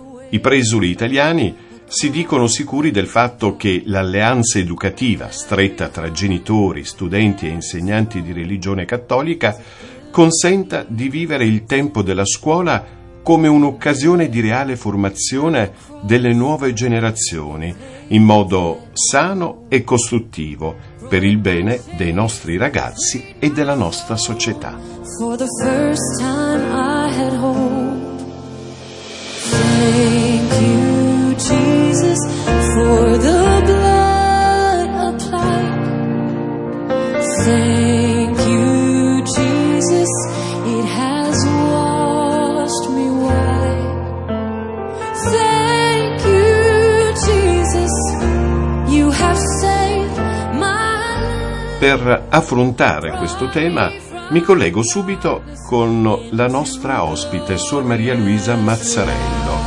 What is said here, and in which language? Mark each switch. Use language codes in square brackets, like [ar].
[it] I presuli italiani si dicono sicuri del fatto che l'alleanza educativa stretta tra genitori, studenti e insegnanti di religione cattolica consenta di vivere il tempo della scuola come un'occasione di reale formazione delle nuove generazioni in modo sano e costruttivo per il bene dei nostri ragazzi e della nostra società. [en] For the first time I had hope. Thank you, Jesus, for the blood applied. Thank you, Jesus, it has washed me white. Thank you, Jesus, you have saved my life. [it] Per affrontare questo tema mi collego subito con la nostra ospite, Suor Maria Luisa Mazzarello.